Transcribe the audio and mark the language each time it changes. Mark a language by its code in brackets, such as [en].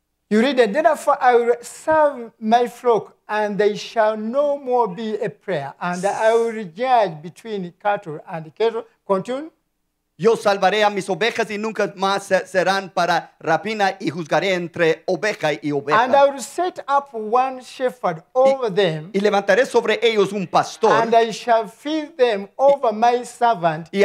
[en] you read, and therefore I will serve my flock, and they shall no more be a prayer, and I will judge between cattle and cattle. Continue. [es] Yo salvaré a mis ovejas y nunca más serán para rapina y juzgaré entre oveja y oveja. [en] And I will set up one shepherd over them. [es] Y levantaré sobre ellos un pastor. [en] And I shall feed them over my servant David.